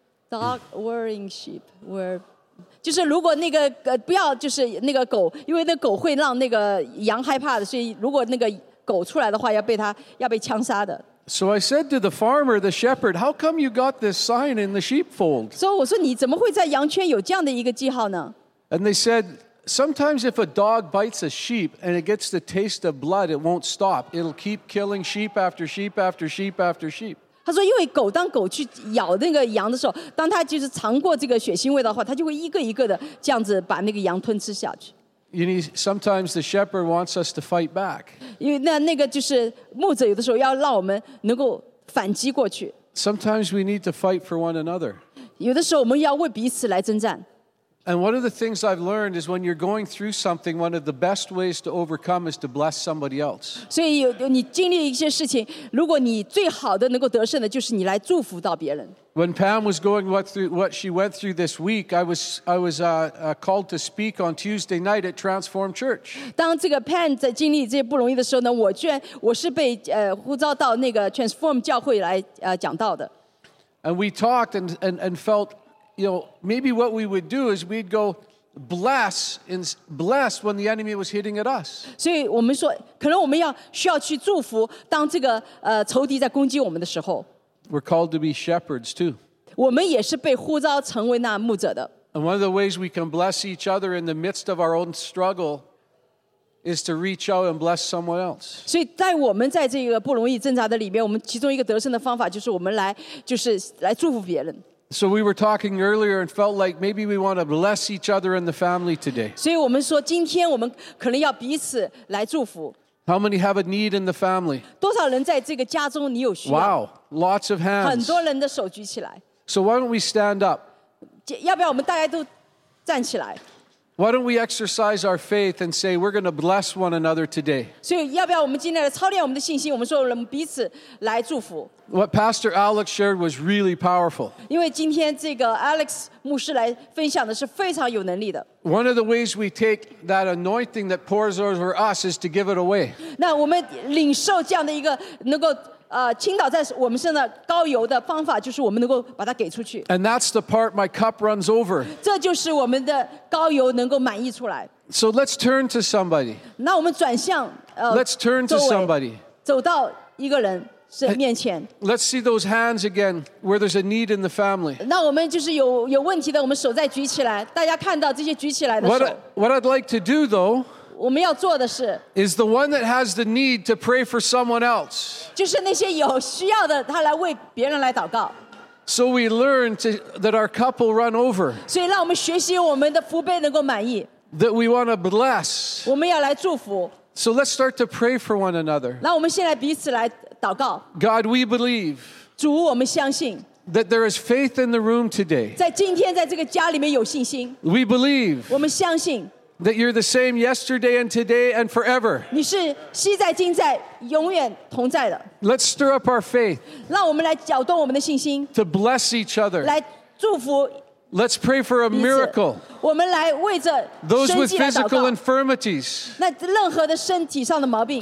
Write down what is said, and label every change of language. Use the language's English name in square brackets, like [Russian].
[English] Dog worrying sheep were [Chinese] 就是如果那个不要就是那个狗，因为那狗会让那个羊害怕的，所以如果那个狗出来的话，要被枪杀的。 [English] So I said to the farmer, the shepherd, how come you got this sign in the sheepfold? [Chinese] So 我说你怎么会在羊圈有这样的一个记号呢？ [English] And they said, sometimes if a dog bites a sheep and it gets the taste of blood, it won't stop. It'll keep killing sheep after sheep after sheep after sheep. [Chinese] 他说因为狗当狗去咬那个羊的时候当他就是尝过这个血腥味的话他就会一个一个的这样子把那个羊吞吃下去。 [English] You know, sometimes the shepherd wants us to fight back. [Chinese] 因为那个就是牧者有的时候要让我们能够反击过去。 [English] Sometimes we need to fight for one another. [Chinese] 有的时候我们要为彼此来征战。 [English] And one of the things I've learned is when you're going through something, one of the best ways to overcome is to bless somebody else. [Chinese] 所以你经历一些事情，如果你最好的能够得胜的，就是你来祝福到别人。 [English] When Pam was going through what she went through this week, I was called to speak on Tuesday night at Transform Church. [Chinese] 当这个 Pam 在经历这些不容易的时候呢，我是被呼召到那个 Transform 教会来讲道的。 [English] And we talked and felt. You know, maybe what we would do is we'd go bless when the enemy was hitting at us. [Chinese] 所以我们说，可能我们要需要去祝福，当这个仇敌在攻击我们的时候。 [English] We're called to be shepherds too. [Chinese] 我们也是被呼召成为那牧者的。 [English] And one of the ways we can bless each other in the midst of our own struggle is to reach out and bless someone else. [Chinese] 所以在我们在这个不容易挣扎的里面，我们其中一个得胜的方法就是我们来，就是来祝福别人。 [English] So we were talking earlier and felt like maybe we want to bless each other and the family today. [Chinese] 所以我们说今天我们可能要彼此来祝福。 [English] How many have a need in the family? [Chinese] 多少人在这个家中你有需要？ [English] Wow, lots of hands. [Chinese] 很多人的手举起来。 [English] So why don't we stand up? [Chinese] 要不要我们大家都站起来？ [English] Why don't we exercise our faith and say we're going to bless one another today? [Chinese] 所以要不要我们今天来操练我们的信心？我们说我们彼此来祝福。 [English] What Pastor Alex shared was really powerful. [Chinese] 因为今天这个 Alex 牧师来分享的是非常有能力的。 [English] One of the ways we take that anointing that pours over us is to give it away. [Chinese] 那我们领受这样的一个能够倾倒在我们身上膏油的方法，就是我们能够把它给出去。 [English] And that's the part my cup runs over. [Chinese] 这就是我们的膏油能够满溢出来。 [English] So let's turn to somebody. [Chinese] 那我们转向 [English] Let's turn to somebody. [Chinese] 走到一个人。 [English] Let's see those hands again where there's a need in the family. [Chinese] 那我们就是有问题的，我们手再举起来，大家看到这些举起来的手。 [English] What I'd like to do though, [Chinese] 我们要做的是 [English] is the one that has the need to pray for someone else. [Chinese] 就是那些有需要的，他来为别人来祷告。 [English] So we learn that our cup will run over. [Chinese] 所以让我们学习我们的福杯能够满溢。 [English] That we want to bless. [Chinese] 我们要来祝福。 [English] So let's start to pray for one another. [Chinese] 那我们先来彼此来。 [English] God, we believe [Chinese] 主我们相信 [English] that there is faith in the room today. [Chinese] 在今天在这个家里面有信心 [English] We believe [Chinese] 我们相信 [English] that you're the same yesterday and today and forever. [Chinese] 你是昔在今在永远同在的 [English] Let's stir up our faith [Chinese] 让我们来搅动我们的信心 [English] to bless each other [Chinese] 来祝福 [English] Let's pray for a miracle. [Chinese] 我们来为着 [English] those with physical infirmities. [Chinese] 那任何的身体上的毛病。